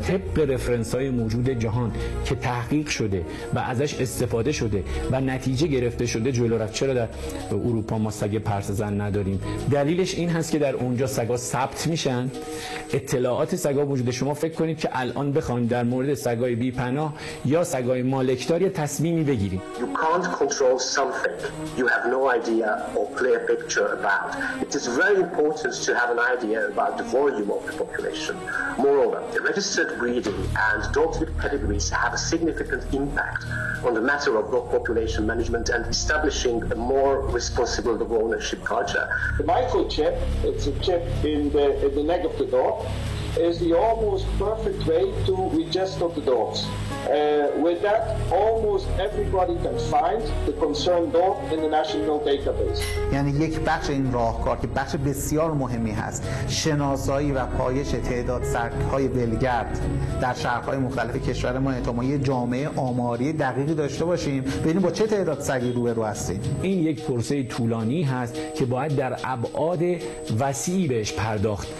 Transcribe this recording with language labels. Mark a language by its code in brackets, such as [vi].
[fa] طبق رفرنس‌های موجود جهان که تحقیق شده و ازش استفاده شده و نتیجه گرفته شده جلو رفت. چرا در اروپا ما سگ پرسه‌زن نداریم؟ دلیلش این هست که در اونجا سگا ثبت میشن، اطلاعات سگا وجوده. شما فکر کنید که الان بخواید در مورد سگای بی پناه یا سگای مالکدار یه تصمیمی بگیرید. [en] You can't control something you have no idea or clear picture about. It is very important to have an idea about the volume of the population. Moreover, the registered breeding and dog-tip pedigrees have a significant impact on the matter of dog population management and establishing a more responsible dog ownership culture. The microchip, it's a chip in the neck of the dog, is the almost perfect way to register the dogs. With that, almost everybody can find the concerned dog in the national database. [fa] یعنی یک بخش این راهکار که بخش بسیار مهمی هست، شناسایی و پایش تعداد سگ‌های ولگرد در شهرهای مختلف کشور ما، تا ما یه جامعه آماری دقیقی داشته باشیم ببینیم با چه تعداد سگی روبرو هستیم. این یک پروسه طولانی هست که باید در ابعاد وسیعی بهش پرداخت.